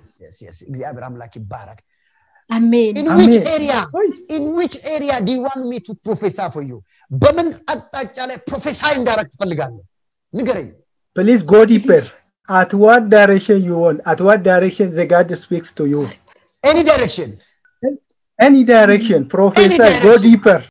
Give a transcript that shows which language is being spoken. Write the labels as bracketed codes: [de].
[en] Yes, yes. [am] እግዚአብሔር አምላክ ይባረክ. [en] Amen. In which area? In which area do you want me to prophesy for you? [am] በምን አጣጫ ላይ ፕሮፌሳይ እንዳረክ ትፈልጋለህ? ንገረኝ. [en] Please go deeper. At what direction you want? At what direction the God speaks to you? Any direction. Any direction, Professor, go deeper.